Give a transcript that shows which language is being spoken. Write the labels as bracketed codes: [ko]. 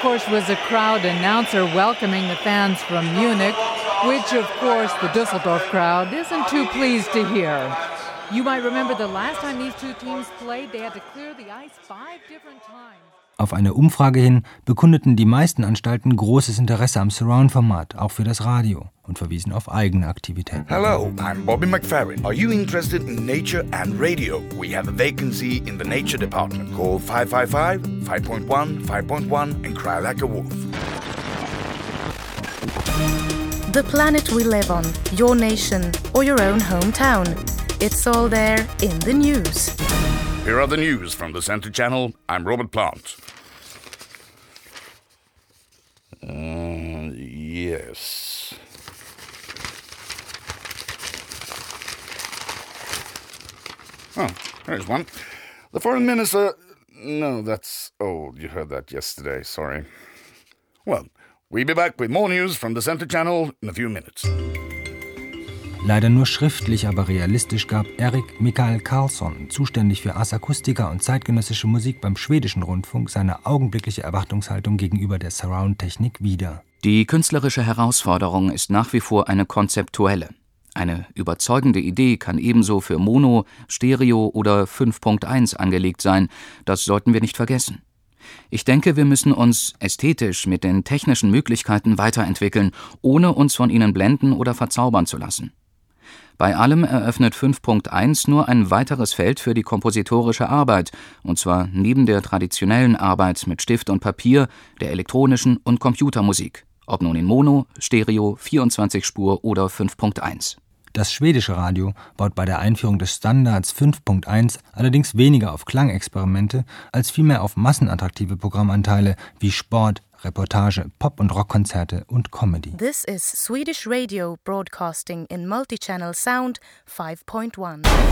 [en] Was a crowd announcer welcoming the fans from Munich, which of course the Düsseldorf crowd isn't too pleased to hear. You might remember the last time these two teams played, they had to clear the ice 5 different times. [de] Auf eine Umfrage hin bekundeten die meisten Anstalten großes Interesse am Surround-Format, auch für das Radio, und verwiesen auf eigene Aktivitäten. [en] Hello, I'm Bobby McFerrin. Are you interested in nature and radio? We have a vacancy in the nature department. Call 555 5.1 5.1 and cry like a wolf. The planet we live on, your nation or your own hometown. It's all there in the news. Here are the news from the Center Channel. I'm Robert Plant. Yes. Oh, there's one. The foreign minister... No, that's old. You heard that yesterday. Sorry. Well, we'll be back with more news from the Center Channel in a few minutes. [de] Leider nur schriftlich, aber realistisch gab Erik Mikael Karlsson, zuständig für Ars Acoustica und zeitgenössische Musik beim schwedischen Rundfunk, seine augenblickliche Erwartungshaltung gegenüber der Surround-Technik wieder. Die künstlerische Herausforderung ist nach wie vor eine konzeptuelle. Eine überzeugende Idee kann ebenso für Mono, Stereo oder 5.1 angelegt sein, das sollten wir nicht vergessen. Ich denke, wir müssen uns ästhetisch mit den technischen Möglichkeiten weiterentwickeln, ohne uns von ihnen blenden oder verzaubern zu lassen. Bei allem eröffnet 5.1 nur ein weiteres Feld für die kompositorische Arbeit, und zwar neben der traditionellen Arbeit mit Stift und Papier, der elektronischen und Computermusik, ob nun in Mono, Stereo, 24-Spur oder 5.1. Das schwedische Radio baut bei der Einführung des Standards 5.1 allerdings weniger auf Klangexperimente als vielmehr auf massenattraktive Programmanteile wie Sport, Reportage, Pop- und Rockkonzerte und Comedy. [en] This is Swedish Radio broadcasting in multi-channel sound 5.1.